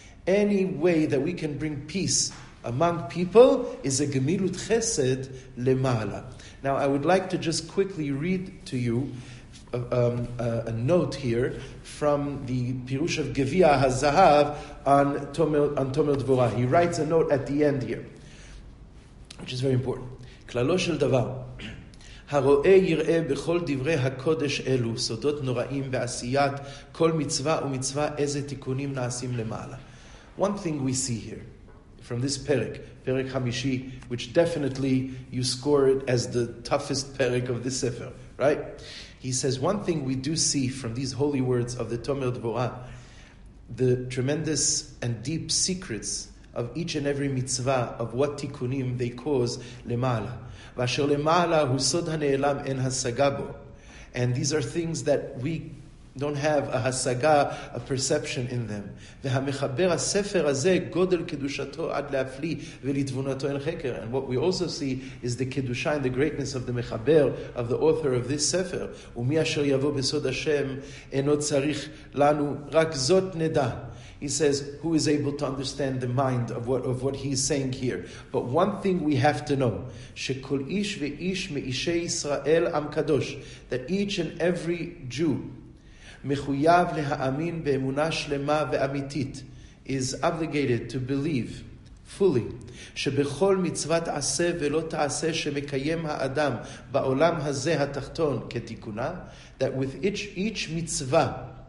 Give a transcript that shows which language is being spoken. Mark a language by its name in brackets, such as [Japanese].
[English] Any way that we can bring peace among people is a gemilut chesed lemaala. Now I would like to just quickly read to you a note here from the Pirush of Gevia HaZahav on Tomer Dvorah. He writes a note at the end here, which is very important. [Hebrew] Klalo shel davar. הרואה יראה בכל דברי הקודש אלו, סודות נוראים ועשיית כל מצווה ומצווה איזה תיקונים נעשים למעלה. [English] One thing we see here, from this פרק, פרק חמישי, which definitely you score it as the toughest פרק of this ספר, right? He says, one thing we do see from these holy words of the Tomer Dvorah, the tremendous and deep secrets of each and every mitzvah, of what tikkunim they cause למעלה. [Hebrew] ואשר למעלה הוא סוד הנעלם אין השגה בו. [English] And these are things that we don't have a השגה, a perception in them. [Hebrew] והמחבר הספר הזה גודל קדושתו עד להפלי ולתבונתו אין חקר. [English] And what we also see is the קדושה and the greatness of the מחבר, of the author of this ספר. [Hebrew] ומי אשר יבוא בסוד השם אינו צריך לנו רק זאת נדע. [English] He says, who is able to understand the mind of what he is saying here? But one thing we have to know, [Hebrew] שכל איש ואיש מאישי ישראל עם קדוש, [English] that each and every Jew [Hebrew] מחויב להאמין באמונה שלמה ואמיתית, [English] is obligated to believe fully, [Hebrew] שבכל מצוות עשה ולא תעשה שמקיים האדם בעולם הזה התחתון כתיקונה, [English] that with each [Hebrew] מצווה,